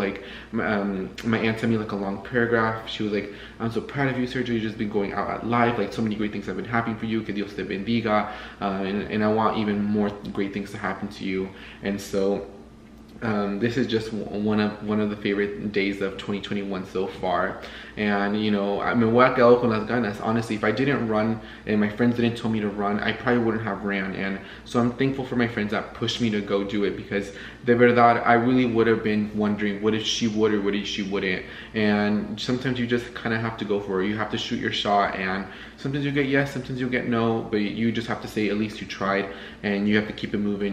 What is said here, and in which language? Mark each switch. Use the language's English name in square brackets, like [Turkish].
[English] Like, my aunt sent me, like, a long paragraph. She was like, I'm so proud of you, Sergio, you've just been going out at life. Like, so many great things have been happening for you. [Spanish] Que Dios te bendiga. [English] And I want even more great things to happen to you. And so this is just one of the favorite days of 2021 so far. And, you know, I mean, [Spanish] voy a quedar con las ganas. [English] Honestly, if I didn't run and my friends didn't tell me to run, I probably wouldn't have ran. And so I'm thankful for my friends that pushed me to go do it, because [Spanish] de verdad, [English] I really would have been wondering what if she would or what if she wouldn't. And sometimes you just kind of have to go for it. You have to shoot your shot. And sometimes you get yes, sometimes you get no, but you just have to say at least you tried, and you have to keep it moving.